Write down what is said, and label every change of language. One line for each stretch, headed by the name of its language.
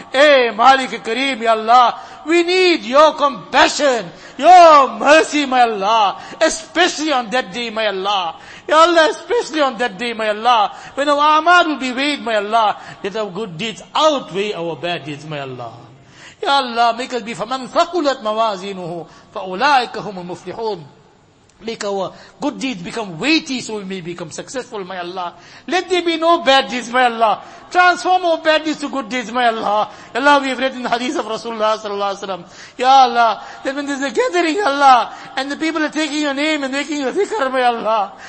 English: Eh, Malik Kareem, ya Allah. We need your compassion, your mercy, my Allah. Especially on that day, my Allah. Ya Allah, especially on that day, my Allah. When our amal will be weighed, my Allah. Let our good deeds outweigh our bad deeds, my Allah. Ya Allah, make us be
Arabic: فَمَنْ ثَقُلَتْ مَوَازِينُهُ فَأُولَٰئِكَ هُمُ الْمُفْلِحُونَ.
English: Make our good deeds become weighty so we may become successful, my Allah. Let there be no bad deeds, my Allah. Transform our bad deeds to good deeds, my Allah. Allah, we have read in the hadith of Rasulullah sallallahu alaihi wasallam. Ya Allah, that when there's a gathering, Allah, and the people are taking your name and making your dhikr, my Allah.